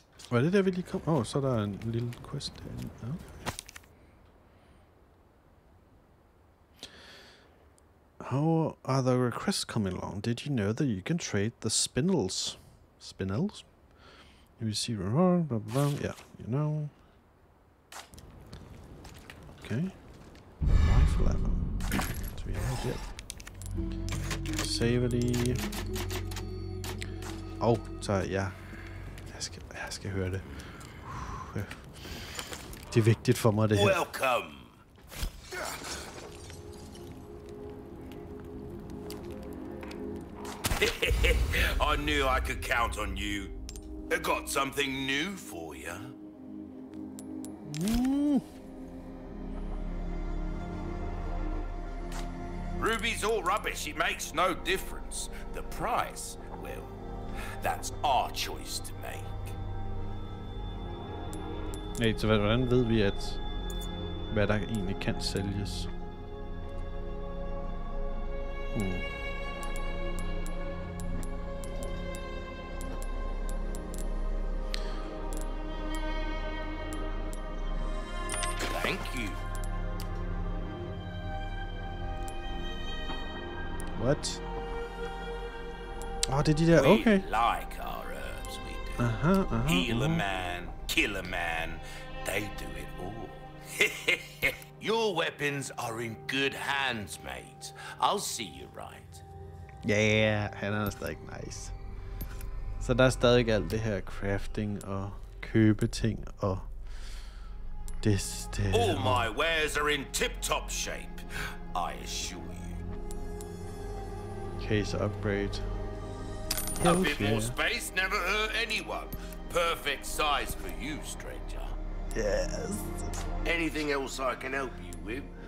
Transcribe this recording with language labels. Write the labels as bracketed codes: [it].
[da] Hvad er det der, vi lige kom? Oh, så er der en lille quest derinde. [en] Okay. How are the requests coming along? Did you know that you can trade the spindles? Spindles? You see, blah, blah, blah, blah. Yeah, you know. Okay. Rifle ammo. So we have it. Save it. Oh, so yeah. [da] Jeg skal høre det. Det er vigtigt for mig, det her. [en] Welcome. I knew I could count on you. I got something new for you. Ruby's all rubbish. It makes no difference. The price, well, that's our choice to make. [da] Hey, så hvordan ved vi, at hvad der egentlig kan sælges? [en] What? Oh, did you do that? Okay. We like our herbs, we do. Heal a man, kill a man, they do it all. Your weapons are in good hands, mate. I'll see you right. [da] Yeah, han er stadig nice. Så der er stadig alt det her crafting og købe ting og det. [en] All my wares are in tip-top shape, I assure you. Case upgrade. Hell, a bit yeah. More space never hurt anyone. Perfect size for you, stranger. Yes. Anything else I can help you with?